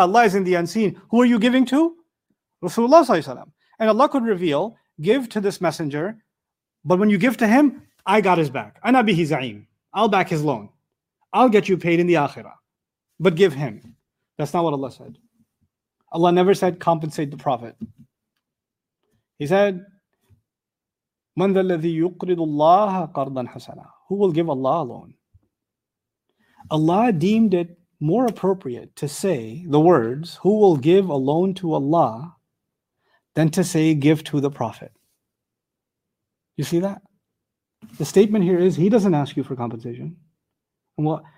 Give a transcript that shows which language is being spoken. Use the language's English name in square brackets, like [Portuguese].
[English] Allah is in the unseen. Who are you giving to? Rasulullah ﷺ. And Allah could reveal, give to this messenger, but when you give to him, I got his back. [Arabic] Ana bihi za'im. [English] I'll back his loan. I'll get you paid in the akhirah. But give him. That's not what Allah said. Allah never said, compensate the Prophet. He said, [Arabic] من ذا الذي يقرض الله قرضا حسنا? [English] Who will give Allah a loan? Allah deemed it more appropriate to say the words, who will give a loan to Allah, than to say, give to the Prophet. You see that? The statement here is, he doesn't ask you for compensation. And what?